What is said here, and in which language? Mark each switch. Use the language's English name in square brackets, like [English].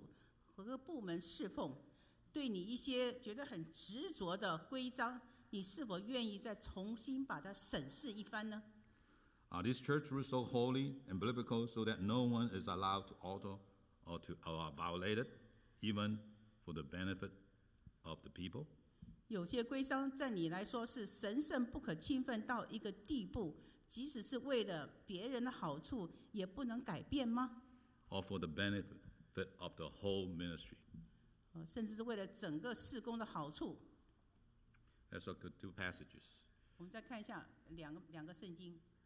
[Chinese] 不管你是在何处、何个部门侍奉, 对你一些觉得很执着的规章, 你是否愿意再重新把它审视一番呢? [English] Are these church rules so holy and biblical so that no one is allowed to alter or to violate it, even for the benefit of the people? [Chinese] 有些规章在你来说是神圣不可侵犯到一个地步, 即使是为了别人的好处, 也不能改变吗? [English] Or for the benefit of the whole ministry? [Chinese] 甚至是为了整个事工的好处。 [English] Let's look at two passages. [Chinese] 我们再看一下两个圣经。